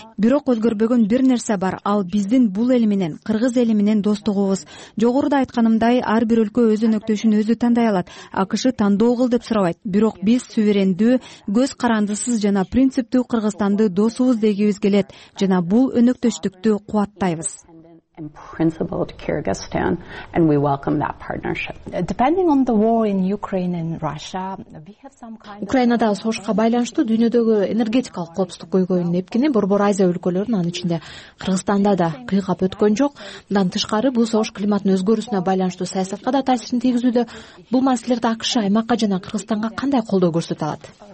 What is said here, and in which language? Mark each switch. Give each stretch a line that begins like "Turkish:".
Kyrgyz: Бирок өзгөрбөгөн бир нерсе бар, ал биздин бул эл менен, кыргыз эли менен достугубуз. Жогоруда айтканымдай, ар бир өлкө өз өнөктөшүн өзү тандай алат. АКШ тандоо кыл деп сурабайт. Бирок биз суверендүү, көз карандысыз жана принциптүү Кыргызстанды досубуз дегибиз келет жана бул өнөктөштүктү кубаттайбыз.
English: And principled Kyrgyzstan, and we welcome that partnership. Depending on the war in Ukraine and Russia, we have some kind of...
Kyrgyz: Украинада согушка байланыштуу дүйнөдөгү энергетикалык коопсуздук көйгөйүнүн эпкини Борбор Азия өлкөлөрүн, анын ичинде Кыргызстанда да кыйгап өткөн жок. Мындан тышкары бул согуш климаттын өзгөрүүсүнө байланыштуу саясатка да таасирин тийгизүүдө. Бул маселелерде АКШ аймакка жана Кыргызстанга кандай колдоо көрсөтө алат?